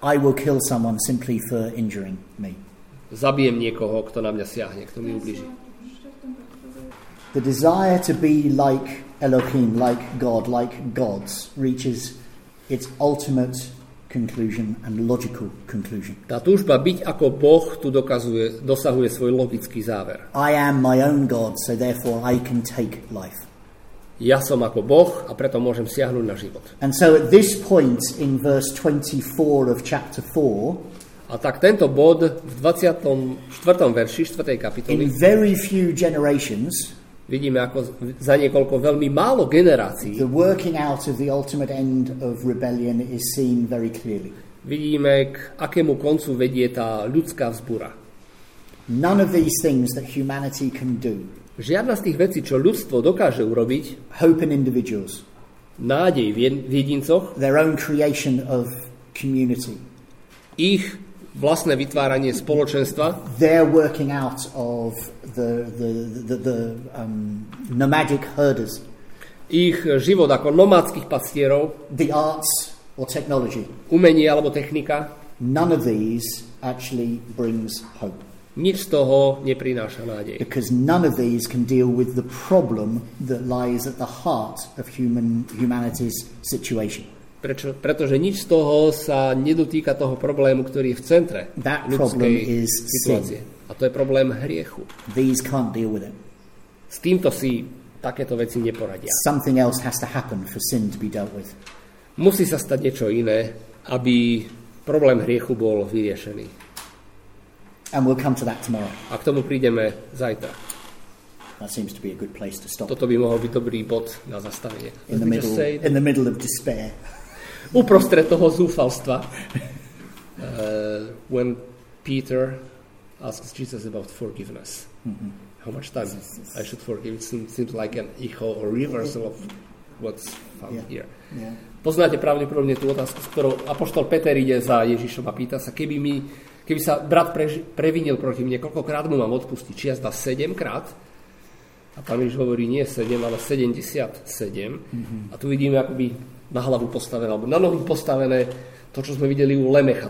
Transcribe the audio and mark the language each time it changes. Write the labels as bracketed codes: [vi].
[en] I will kill someone simply for injuring me. [sk] Zabijem niekoho, kto na mňa siahne, kto mi ublíži. [en] The desire to be like Elohim, like God, like gods, reaches its ultimate conclusion and logical conclusion. [sk] Tá túžba byť ako Boh tu dokazuje, dosahuje svoj logický záver. [en] I am my own God, so therefore I can take life. [sk] Ja som ako Boh a preto môžem siahnuť na život. [en] And so at this point in verse 24 of chapter 4, [sk] a tak tento bod v 24. verši 4. kapitoly, [en] in very few generations, [sk] vidíme, ako za niekoľko veľmi málo generácií. [en] The working out of the ultimate end of rebellion is seen very clearly. [sk] Vidíme, k akému koncu vedie tá ľudská vzbúra. [en] None of these things that humanity can do. [sk] Žiadna z tých vecí, čo ľudstvo dokáže urobiť. [en] Hope in individuals. [sk] Nádej v jedincoch. [en] Their own creation of community. [sk] Ich vlastné vytváranie spoločenstva. [en] They're working out of the nomadic herders. [sk] Ich život ako nomádskych pastierov. [en] The arts or technology. [sk] Umenie alebo technika. [en] None of these actually brings hope. [sk] Nič z toho neprináša nádej. [en] Because none of these can deal with the problem that lies at the heart of humanity's situation. [sk] Prečo? Pretože nič z toho sa nedotýka toho problému, ktorý je v centre [en] that [sk] ľudskej situácie. A to je problém hriechu. [en] These can't deal with it. [sk] S týmto si takéto veci neporadia. [en] Something else has to happen for sin to be dealt with. [sk] Musí sa stať niečo iné, aby problém hriechu bol vyriešený. [en] And we'll come to that tomorrow. [sk] A k tomu prídeme zajtra. [en] That seems to be a good place to stop. [sk] Toto by mohol byť dobrý bod na zastavenie. [en] In the middle of despair. [sk] Uprostred toho zúfalstva. [en] When Peter asks Jesus about forgiveness. Mm-hmm. How much time I should forgive? It seems like an echo or reversal of what's found here. Yeah. [sk] Poznáte pravdepodobne tú otázku, s ktorou apoštol Peter ide za Ježišom a pýta sa, keby sa brat previnil proti mne, koľkokrát mu mám odpustiť? Či jazda 7 krát? A pán Ježiš hovorí, nie 7, ale 77. Mm-hmm. A tu vidíme akoby na hlavu postavené, alebo na nohu postavené to, čo sme videli u Lemecha.